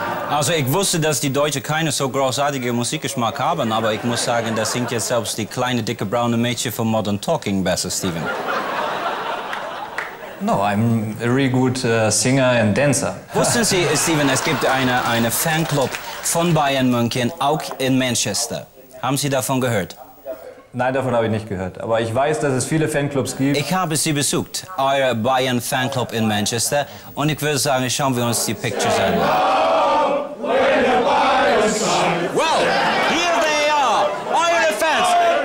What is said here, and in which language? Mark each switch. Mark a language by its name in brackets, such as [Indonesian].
[German] Also, ich wusste, dass die Deutschen keine so großartige Musikgeschmack haben, aber ich muss sagen, das singt jetzt selbst die kleine, dicke, braune Mädchen von Modern Talking besser, Stefan. [English] No, I'm a really good singer and dancer. [German] Wussten Sie, Stefan, es gibt eine Fanclub von Bayern München, auch in Manchester. Haben Sie davon gehört? Nein, davon habe ich nicht gehört. Aber ich weiß, dass es viele Fanclubs gibt. Ich habe Sie besucht, euer Bayern Fanclub in Manchester. Und ich würde sagen, schauen wir uns die Pictures an. [English] Well, here they are, [German] eure Fans.